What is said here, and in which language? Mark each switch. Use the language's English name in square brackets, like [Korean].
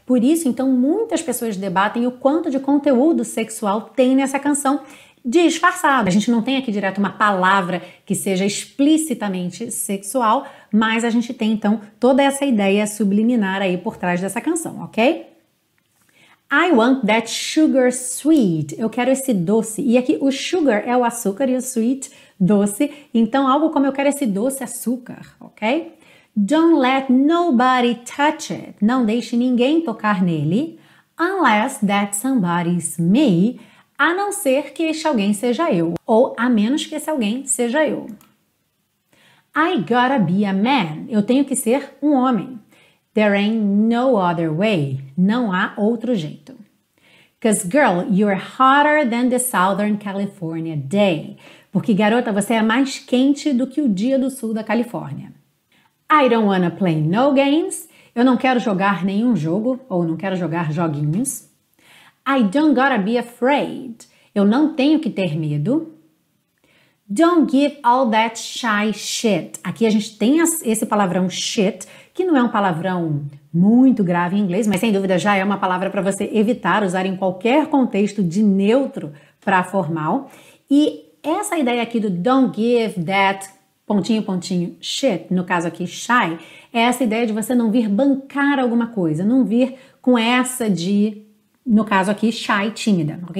[Portuguese] Por isso, então, muitas pessoas debatem o quanto de conteúdo sexual tem nessa canção, disfarçado. A gente não tem aqui direto uma palavra que seja explicitamente sexual, mas a gente tem então toda essa ideia subliminar aí por trás dessa canção, ok? [English] I want that sugar sweet. [Portuguese] Eu quero esse doce. E aqui o sugar é o açúcar e o sweet, doce. Então algo como eu quero esse doce açúcar, ok? [English] Don't let nobody touch it. [Portuguese] Não deixe ninguém tocar nele. [English] Unless that somebody's me. [Portuguese] A não ser que este alguém seja eu, ou a menos que esse alguém seja eu. [English] I gotta be a man. [Portuguese] Eu tenho que ser um homem. [English] There ain't no other way. [Portuguese] Não há outro jeito. [English] 'Cause girl, you're hotter than the Southern California day. [Portuguese] Porque garota, você é mais quente do que o dia do sul da Califórnia. [English] I don't wanna play no games. [Portuguese] Eu não quero jogar nenhum jogo, ou não quero jogar joguinhos. [English] I don't gotta be afraid. [Portuguese] Eu não tenho que ter medo. [English] Don't give all that shy shit. [Portuguese] Aqui a gente tem esse palavrão shit, que não é um palavrão muito grave em inglês, mas sem dúvida já é uma palavra para você evitar usar em qualquer contexto de neutro para formal. E essa ideia aqui do don't give that pontinho, pontinho, shit, no caso aqui, shy, é essa ideia de você não vir bancar alguma coisa, não vir com essa de, no caso aqui, shy, tímida, ok?